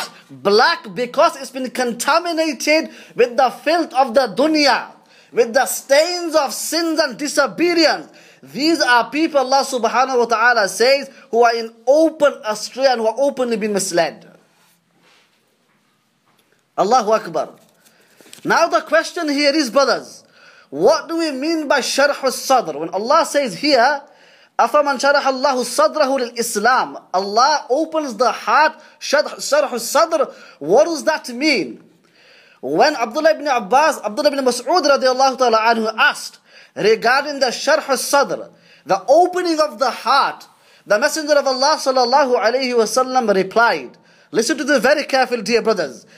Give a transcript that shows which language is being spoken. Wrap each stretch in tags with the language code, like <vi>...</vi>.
<en>Black because it's been contaminated with the filth of the dunya, with the stains of sins and disobedience. These are people, Allah subhanahu wa ta'ala says, who are in open astray and who are openly being misled. Allahu Akbar. Now the question here is, brothers, what do we mean by sharhu sadr? When Allah says here,</en> <ar>أَفَمَنْ شَرَحَ اللَّهُ صَدْرَهُ لِلْإِسْلَامِ.</ar> <en>Allah opens the heart,</en> <ar>شَرْحُ الصَّدْرِ.</ar> <en>What does that mean? When Abdullah ibn Abbas, Abdullah ibn Mas'ud radiallahu ta'ala anhu asked regarding the</en> <ar>شَرْحُ الصَّدْرِ,</ar> <en>the opening of the heart, the Messenger of Allah sallallahu alayhi wa sallam replied, listen to this very carefully, dear brothers.</en>